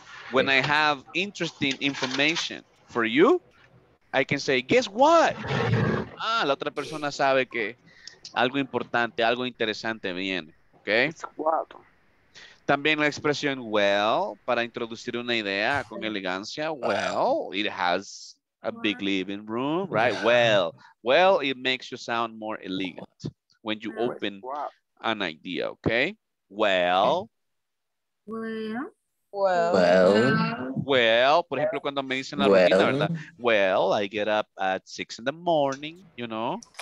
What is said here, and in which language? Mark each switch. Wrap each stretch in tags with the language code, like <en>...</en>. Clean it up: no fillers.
<en>When I have interesting information for you, I can say guess what?</en> <es>Ah, la otra persona sabe que algo importante, algo interesante viene, ¿okay? También la expresión well para introducir una idea con elegancia,</es> <en>well, it has a big living room, right? Well, well, it makes you sound more elegant when you open an idea, okay? Well. Well. Well.</en> <es>Well, por ejemplo, cuando me dicen la rutina, ¿verdad?</es> <en>Well, I get up at 6 a.m, you know.</en>